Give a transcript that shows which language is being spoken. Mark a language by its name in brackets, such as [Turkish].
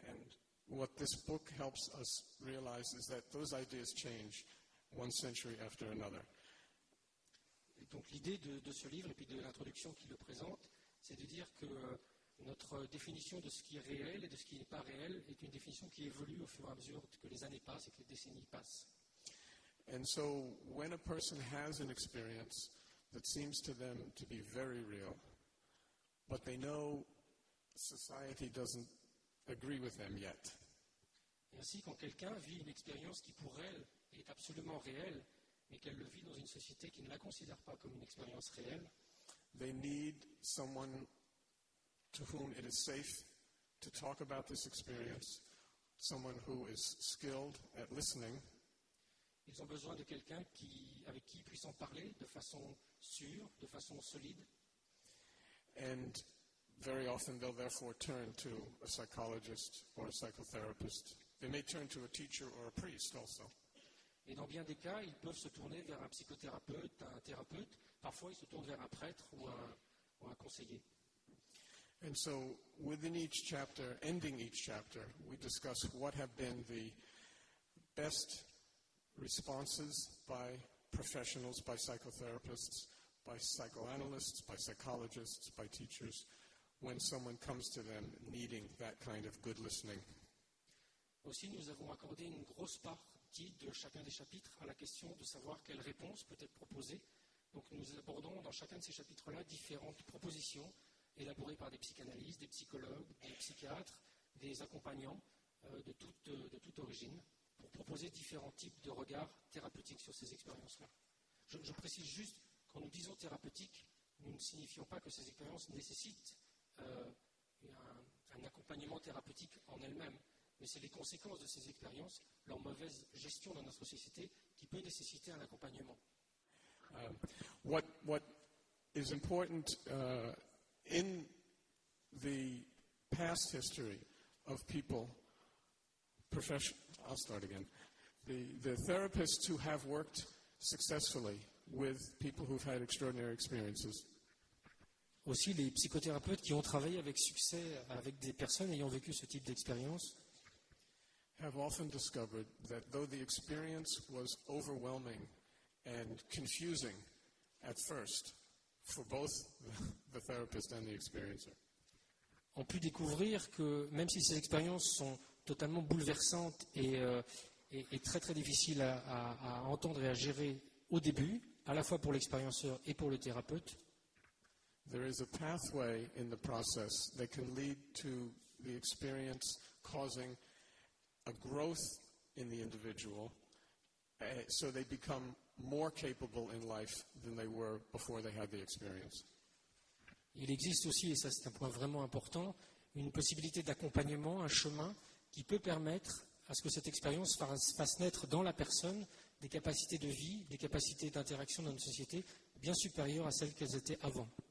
[English] And what this book helps us realize is that those ideas change one century after another. [French] Et donc l'idée de ce livre et puis de l'introduction qui le présente, c'est de dire que notre définition de ce qui est réel et de ce qui n'est pas réel est une définition qui évolue au fur et à mesure que les années passent et que les décennies passent. [English] And so when a person has an experience that seems to them to be very real, but they know society doesn't agree with them yet. [French] Et ainsi, quand quelqu'un vit une expérience qui pour elle est absolument réelle, mais qu'elle le vit dans une société qui ne la considère pas comme une expérience réelle, [English] they need someone to whom it is safe to talk about this experience, someone who is skilled at listening. [French] Ils ont besoin de quelqu'un qui, avec qui ils puissent en parler de façon sûre, de façon solide. [English] And very often they'll therefore turn to a psychologist or a psychotherapist. They may turn to a teacher or a priest also. [French] Et dans bien des cas, ils peuvent se tourner vers un psychothérapeute, un thérapeute. Parfois, ils se tournent vers un prêtre ou un conseiller. [English] And so, within each chapter, ending each chapter, we discuss what have been the best responses by professionals, by psychotherapists, by psychoanalysts, by psychologists, by teachers, when someone comes to them needing that kind of good listening. [French] Aussi, nous avons accordé une grosse partie de chacun des chapitres à la question de savoir quelle réponse peut être proposée. Donc, nous abordons dans chacun de ces chapitres-là différentes propositions élaborées par des psychanalystes, des psychologues, des psychiatres, des accompagnants de toute origine. Pour proposer différents types de regards thérapeutiques sur ces expériences-là. Je précise juste, quand nous disons thérapeutique, nous ne signifions pas que ces expériences nécessitent un accompagnement thérapeutique en elles-mêmes, mais c'est les conséquences de ces expériences, leur mauvaise gestion dans notre société, qui peut nécessiter un accompagnement. [English] What is important in the past history of people, I'll start again. The therapists who have worked successfully with people who've had extraordinary experiences. [French] Aussi les psychothérapeutes qui ont travaillé avec succès avec des personnes ayant vécu ce type d'expérience. [English] Have often discovered that though the experience was overwhelming and confusing at first for both the therapist and the experiencer. [French] Ont pu découvrir que même si ces expériences sont totalement bouleversante et très très difficile à entendre et à gérer au début, à la fois pour l'expérienceur et pour le thérapeute. [English] There is a pathway in the process that can lead to the experience causing a growth in the individual, so they become more capable in life than they were before they had the experience. [French] Il existe aussi, et ça c'est un point vraiment important, une possibilité d'accompagnement, un chemin qui peut permettre à ce que cette expérience fasse naître dans la personne des capacités de vie, des capacités d'interaction dans une société bien supérieures à celles qu'elles étaient avant.